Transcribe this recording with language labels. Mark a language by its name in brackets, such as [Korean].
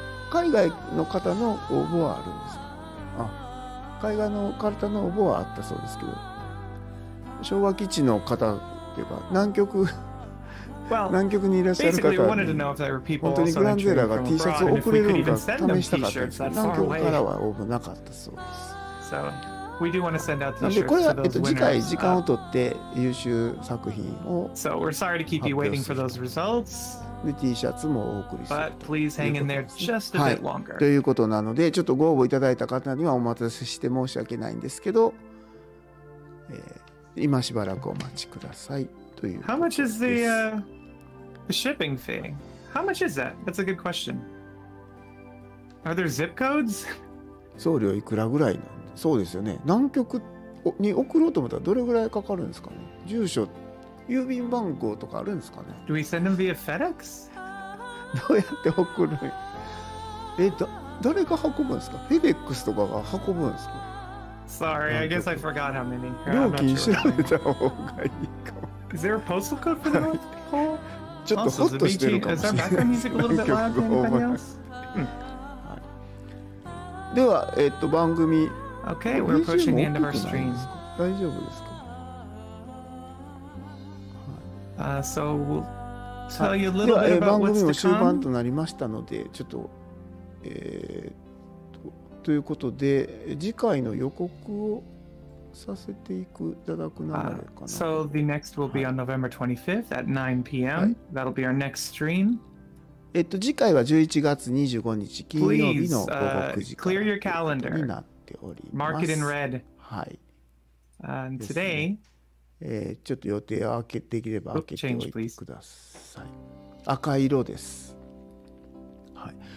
[Japanese] 海外の方の応募はあるんですか？あ、海外の方の応募はあったそうですけど、昭和基地の方っていうか南極南極にいらっしゃる方に本当にグランゼラが T シャツを送れるのか試したかったんですけど、南極からは応募なかったそうです。 [English] We do want to send out the t-shirts to those winners. [Japanese] 次回時間を取って優秀作品を。 [English] So we're sorry to keep you waiting for those results. [Japanese] で T シャツもお送りします。 [English] But please hang in there just a bit longer. [Japanese] ということなので、ちょっとご応募いただいた方にはお待たせして申し訳ないんですけど、今しばらくお待ちくださいという。 [English] How much is the shipping fee? How much is that? That's a good question. Are there zip codes? [Japanese] 送料いくらぐらいの？そうですよね。南極に送ろうと思ったらどれぐらいかかるんですかね。住所、郵便番号とかあるんですかね。 [English] Do we send them via FedEx? [Japanese] どうやって送るん？え、だ、誰が運ぶんですか？フェデックスとかが運ぶんですか？ [English] Sorry, I guess I forgot how many. [Japanese] 料金調べた方がいいかも。 [English] Is there a postal code for the North Pole? [Japanese] ちょっとホッとしてるかもしれないですね。 [English] Is there background music a little bit loud? Anything else? [Japanese] では、番組。 [English] Okay, we're approaching the end of our stream. [Japanese] 大丈夫ですか？ [English] So we'll tell you a little bit about what's to come. [Japanese] 番組終盤となりましたので、ちょっと。ということで次回の予告をさせていただく流れかな。 [English] So the next will be on November 25th at 9 p.m.、はい、That'll be our next stream. [Japanese] 次回は11月25日金曜日の午後9時からになっております。 [English] Please, clear your calendar. Mark it in red. [Japanese] はい。 [English] And today,、 [Japanese] ね、ちょっと予定を開けできれば開けておいてください。 Change, 赤色です。はい。